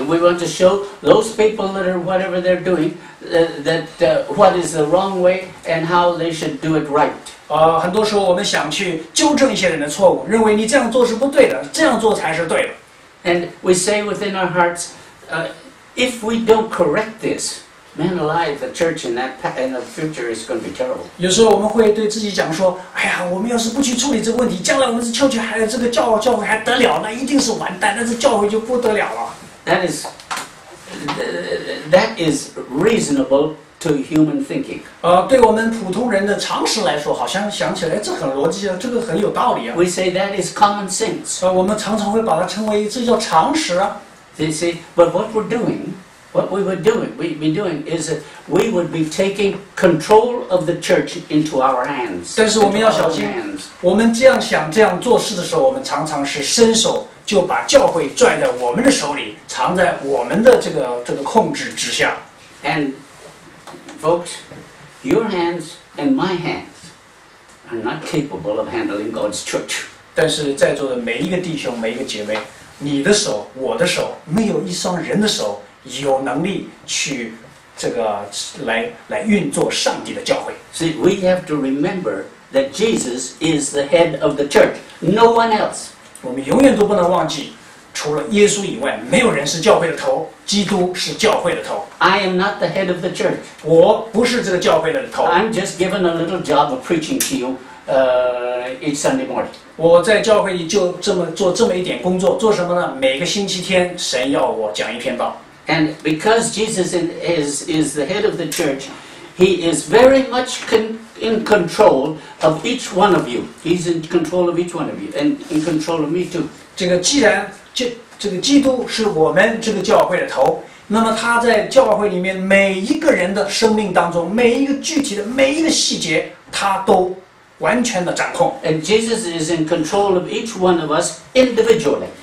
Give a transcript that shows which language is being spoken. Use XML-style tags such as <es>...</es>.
<en>And we want to show those people that are whatever they're doing, what is the wrong way and how they should do it right.</en> <zh>很多时候我们想去纠正一些人的错误，认为你这样做是不对的，这样做才是对的。</zh> <en>And we say within our hearts, if we don't correct this, man alive, the church in that in the future is going to be terrible.</en> <zh>有时候我们会对自己讲说，哎呀，我们要是不去处理这个问题，将来我们教区还这个教会还得了，那一定是完蛋，那这教会就不得了了。</zh> <en>That is reasonable to human thinking.</en> <zh>对我们普通人的常识来说，好像想起来这很逻辑啊，这个很有道理啊。</zh> <en>We say that is common sense.</en> <zh>我们常常会把它称为这叫常识啊。</zh> <en>You see, but what we're doing, what we were doing, we'd be doing is that we would be taking control of the church into our hands.</en> <zh>但是我们要小心，我们这样想这样做事的时候，我们常常是伸手就把教会拽在我们的手里，藏在我们的这个控制之下。</zh> <en>And folks, your hands and my hands are not capable of handling God's church.</en> <zh>但是在座的每一个弟兄，每一个姐妹。你的手，我的手，没有一双人的手有能力去这个来运作上帝的教会。</zh> <en>See, we have to remember that Jesus is the head of the church, no one else.</en> <zh>我们永远都不能忘记，除了耶稣以外，没有人是教会的头，基督是教会的头。</zh> <en>I am not the head of the church.</en> <zh>我不是这个教会的头。</zh> <en>I'm just given a little job of preaching to you. Each Sunday morning.</en> <zh>我在教会里就这么做这么一点工作，做什么呢？每个星期天，神要我讲一篇道。</zh> <en>And because Jesus is the head of the church, he is very much in control of each one of you. He's in control of each one of you, and in control of me too.</en> <zh>这个既然这个基督是我们这个教会的头，那么他在教会里面每一个人的生命当中，每一个具体的每一个细节，他都。完全的掌控。</zh> <en>And Jesus is in control of each one of us individually.</en>